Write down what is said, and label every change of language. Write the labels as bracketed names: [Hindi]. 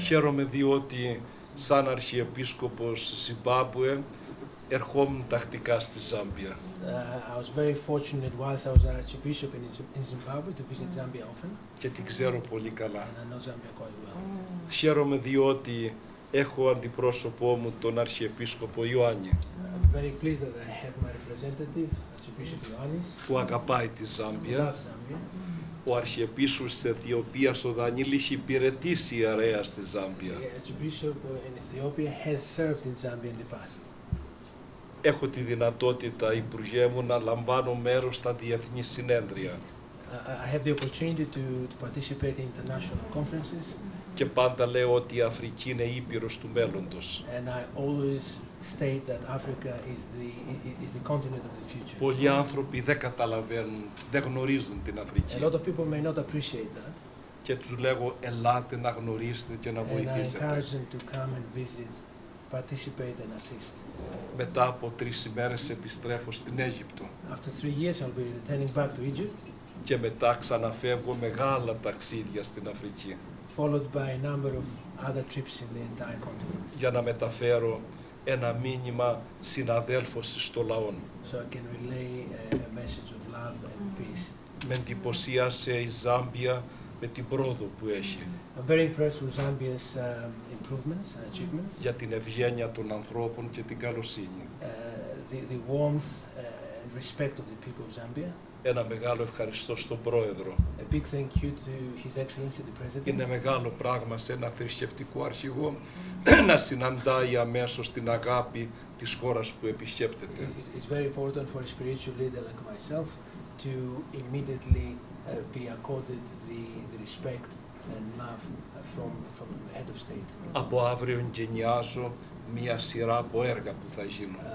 [Greek] Χαίρομαι διότι σαν αρχιεπίσκοπος Ζιμπάμπουε ερχόμουν τακτικά στη Ζάμπια. [English] I was very fortunate whilst I was an archbishop in Zimbabwe to visit Zambia often. [Greek] Και την ξέρω πολύ καλά. [English] And I know Zambia quite well. [Greek] Χαίρομαι διότι έχω αντιπρόσωπό μου τον αρχιεπίσκοπο Ιωάννη. [English] I'm very pleased that I have my representative, Archbishop Ioannis. [Greek] Που αγαπάει τη Ζάμπια. Ο αρχιεπίσκοπος της Αιθιοπίας ο Δανίλη έχει υπηρετήσει ιερέα στη Ζάμπια. [English] The archbishop in Ethiopia has served in Zambia in the past. [Greek] Έχω τη δυνατότητα, Υπουργέ μου, να λαμβάνω μέρος στα διεθνή συνέδρια. [English] I have the opportunity to participate in international conferences. [Greek] Και πάντα λέω ότι η Αφρική είναι ήπειρος του μέλλοντος. [English] And I always state that Africa is the continent of the future. [Greek] Πολλοί άνθρωποι δεν καταλαβαίνουν, δεν γνωρίζουν την Αφρική. [English] A lot of people may not appreciate that. [Greek] Και τους λέγω, ελάτε να γνωρίσετε και να βοηθήσετε. [English] And I encourage them to come and visit, participate and assist. [Greek] Μετά από τρεις ημέρες επιστρέφω στην Αίγυπτο. [English] After 3 years I'll be returning back to Egypt. [Greek] Και μετά ξαναφεύγω μεγάλα ταξίδια στην Αφρική. [English] Followed by a number of other trips in the entire continent. [Greek] Για να μεταφέρω ένα μήνυμα συναδέλφωσης στο λαόν. [English] So I can relay a message of love and peace. [Greek] Με εντυπωσίασε η Ζάμπια με την πρόοδο που έχει. [English] I'm very impressed with Zambia's improvements and achievements. [Greek] Για την ευγένεια των ανθρώπων και την καλοσύνη. [English] The warmth and respect of the people of Zambia. [Greek] Ένα μεγάλο ευχαριστώ στον Πρόεδρο. [English] A big thank you to His Excellency the President. [Greek] Είναι μεγάλο πράγμα σε ένα θρησκευτικό αρχηγό να συναντάει αμέσως την αγάπη της χώρας που επισκέπτεται. [English] It's very important for a spiritual leader like myself to immediately be accorded the respect and love from the head of state. [Greek] Από αύριο εγκαινιάζω μία σειρά από έργα που θα γίνουν.